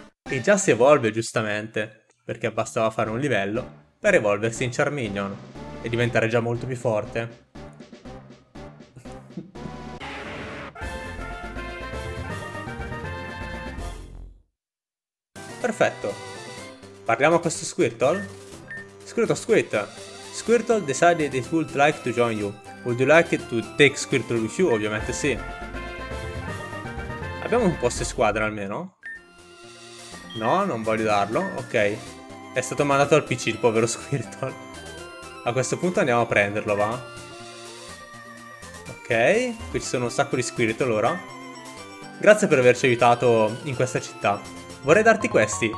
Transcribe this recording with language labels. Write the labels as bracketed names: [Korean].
[Italian] E già si evolve, giustamente, perché bastava fare un livello per evolversi in Charmeleon e diventare già molto più forte. Perfetto. Parliamo a questo Squirtle. [English] Squirtle decided it would like to join you. Would you like to take Squirtle with you? [Italian] Ovviamente sì. Abbiamo un posto in squadra almeno? No, non voglio darlo. Ok. È stato mandato al PC il povero Squirtle. A questo punto andiamo a prenderlo, va? Ok. Qui ci sono un sacco di Squirtle ora. Grazie per averci aiutato in questa città. Vorrei darti questi.